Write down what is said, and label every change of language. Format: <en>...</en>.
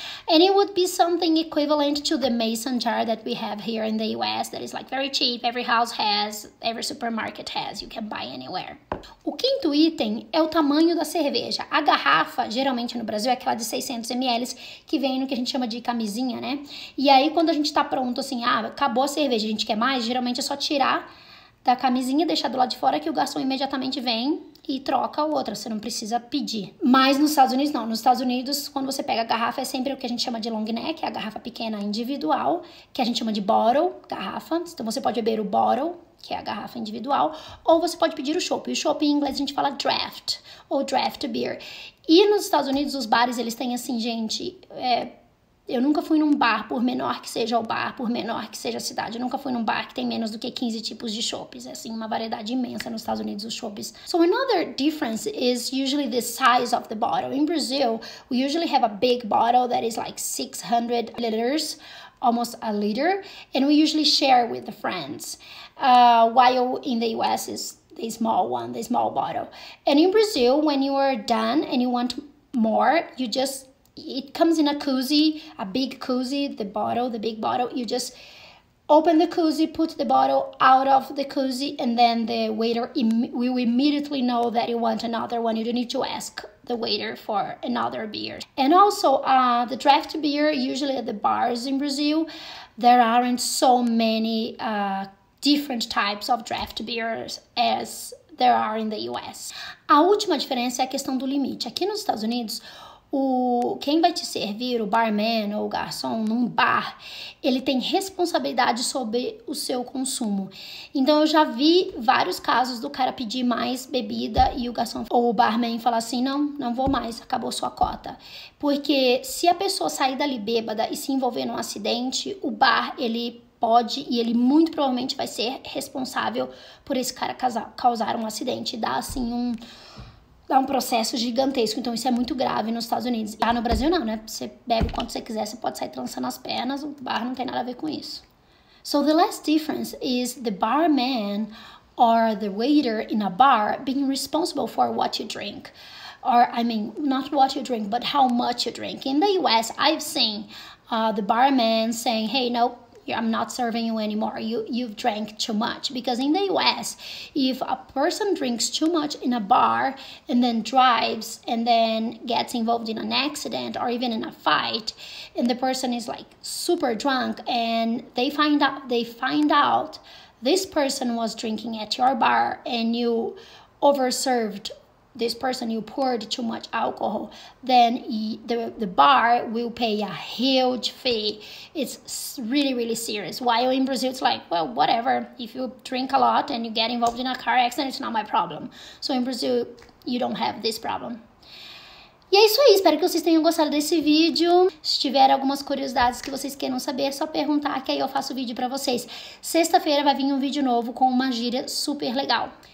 <en>And it would be something equivalent to the mason jar that we have here in the US that is like very cheap. Every house has, every supermarket has, you can buy anywhere.</en> <pt>O quinto item é o tamanho da cerveja. A garrafa, geralmente no Brasil, é aquela de 600 ml, que vem no que a gente chama de camisinha, né? E aí, quando a gente tá pronto, assim, ah, acabou a cerveja, a gente quer mais, geralmente é só tirar da camisinha, deixar do lado de fora, que o garçom imediatamente vem e troca outra, você não precisa pedir. Mas nos Estados Unidos, não. Nos Estados Unidos, quando você pega a garrafa, é sempre o que a gente chama de long neck, a garrafa pequena individual, que a gente chama de bottle, garrafa. Então você pode beber o bottle, que é a garrafa individual, ou você pode pedir o chopp. O chopp em inglês a gente fala draft, ou draft beer. E nos Estados Unidos, os bares, eles têm assim, gente, eu nunca fui num bar, por menor que seja o bar, por menor que seja a cidade, eu nunca fui num bar que tem menos do que 15 tipos de chopps. É assim, uma variedade imensa nos Estados Unidos, os chopps.</pt> <en>So another difference is usually the size of the bottle. In Brazil, we usually have a big bottle that is like 600 liters, almost a liter, and we usually share with the friends. While in the US is the small one, the small bottle. And in Brazil, when you are done and you want more, you just, it comes in a koozie, a big koozie, the bottle, the big bottle. You just open the koozie, put the bottle out of the koozie, and then the waiter will immediately know that you want another one. You don't need to ask the waiter for another beer. And also, the draft beer, usually at the bars in Brazil, there aren't so many different types of draft beers as there are in the US.</en> <pt>A última diferença é a questão do limite. Aqui nos Estados Unidos, quem vai te servir, o barman ou o garçom, num bar, ele tem responsabilidade sobre o seu consumo. Então eu já vi vários casos do cara pedir mais bebida e o garçom ou o barman falar assim: não, não vou mais, acabou sua cota. Porque se a pessoa sair dali bêbada e se envolver num acidente, o bar, ele pode, e ele muito provavelmente vai ser responsável por esse cara causar um acidente, dar assim dá um processo gigantesco. Então isso é muito grave nos Estados Unidos. Lá no Brasil não, né? Você bebe quanto você quiser, você pode sair trançando as pernas, o bar não tem nada a ver com isso.</pt> <en>So the last difference is the barman or the waiter in a bar being responsible for what you drink. Or, I mean, not what you drink, but how much you drink. In the US, I've seen the barman saying, hey, nope, I'm not serving you anymore. You've drank too much. Because in the US, if a person drinks too much in a bar and then drives and then gets involved in an accident or even in a fight, and the person is like super drunk and they find out this person was drinking at your bar and you overserved this person, you poured too much alcohol, then the bar will pay a huge fee. It's really, really serious. While in Brazil, it's like, well, whatever. If you drink a lot and you get involved in a car accident, it's not my problem. So in Brazil, you don't have this problem.</en> <pt>E é isso aí. Espero que vocês tenham gostado desse vídeo. Se tiver algumas curiosidades que vocês queiram saber, é só perguntar que aí eu faço o vídeo para vocês. Sexta-feira vai vir um vídeo novo com uma gíria super legal.</pt>